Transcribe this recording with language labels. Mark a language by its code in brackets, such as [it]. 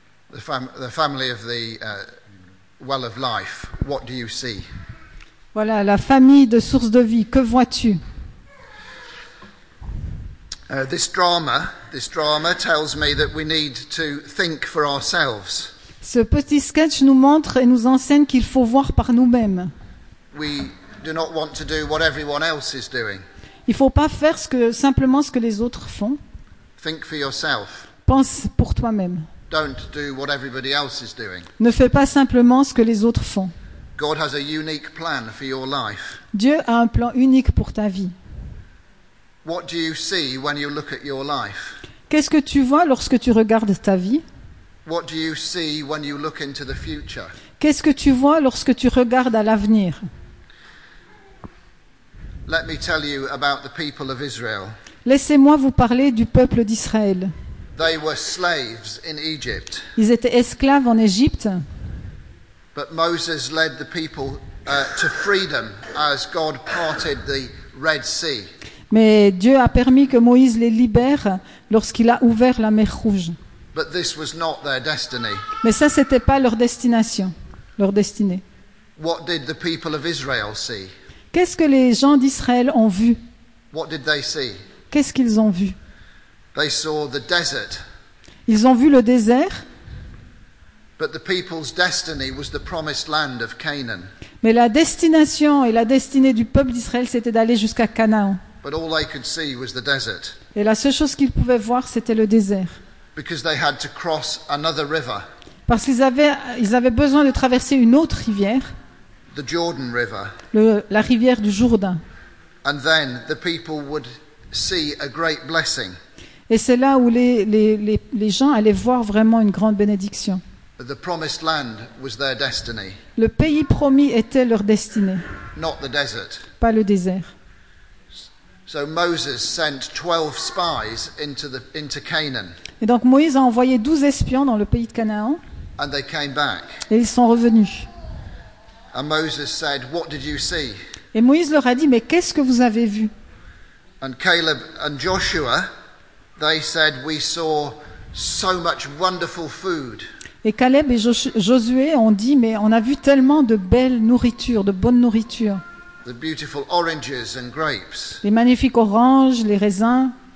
[en] The family of the well of life. What do you see? [fr] Voilà, la famille de Source de Vie. Que vois-tu? [en] This drama tells me that we need to think for ourselves. [fr] Ce petit sketch nous montre et nous enseigne qu'il faut voir par nous-mêmes. [en] We do not want to do what everyone else is doing. [fr] Il ne faut pas faire simplement ce que les autres font. [en] Think for yourself. [fr] Pense pour toi-même. [en] Don't do what everybody else is doing. [fr] Ne fais pas simplement ce que les autres font. [en] God has a unique plan for your life. [fr] Dieu a un plan unique pour ta vie. [en] What do you see when you look at your life? [fr] Qu'est-ce que tu vois lorsque tu regardes ta vie? [en] What do you see when you look into the future? [fr] Qu'est-ce que tu vois lorsque tu regardes à l'avenir? [en] Let me tell you about the people of Israel. [fr] Laissez-moi vous parler du peuple d'Israël. [en] They were slaves in Egypt. [fr] Ils étaient esclaves en Égypte. [en] But Moses led the people to freedom as God parted the Red Sea. [fr] Mais Dieu a permis que Moïse les libère lorsqu'il a ouvert la mer Rouge. [en] But this was not their destiny. [fr] Mais ça, c'était pas leur destination, leur destinée. [en] What did the people of Israel see? [fr] Qu'est-ce que les gens d'Israël ont vu? [en] What did they see? [fr] Qu'est-ce qu'ils ont vu? [en] They saw the desert. [fr] Ils ont vu le désert. [en] But the people's destiny was the promised land of Canaan. [fr] Mais la destination et la destinée du peuple d'Israël, c'était d'aller jusqu'à Canaan. [en] But all they could see was the desert. [fr] Et la seule chose qu'ils pouvaient voir, c'était le désert. [en] Because they had to cross another river. [fr] Parce qu'ils avaient besoin de traverser une autre rivière. [en] The Jordan River. [fr] La rivière du Jourdain. [en] And then the people would see a great blessing. [fr] Et c'est là où les gens allaient voir vraiment une grande bénédiction. [en] The promised land was their destiny. [fr] Le pays promis était leur destinée. [en] Not the desert. [fr] Pas le désert. [en] So Moses sent 12 spies into Canaan. [fr] Et donc Moïse a envoyé 12 espions dans le pays de Canaan. [en] And they came back. [fr] Et ils sont revenus. [en] And Moses said, "What did you see?" [fr] Et Moïse leur a dit, mais qu'est-ce que vous avez vu? [en] And Caleb and Joshua, they said, "We saw so much wonderful food." [fr] Et Caleb et Josué ont dit, mais on a vu tellement de belles nourritures, de bonnes nourritures. [en] The beautiful oranges and grapes. [fr] Les magnifiques oranges, les raisins.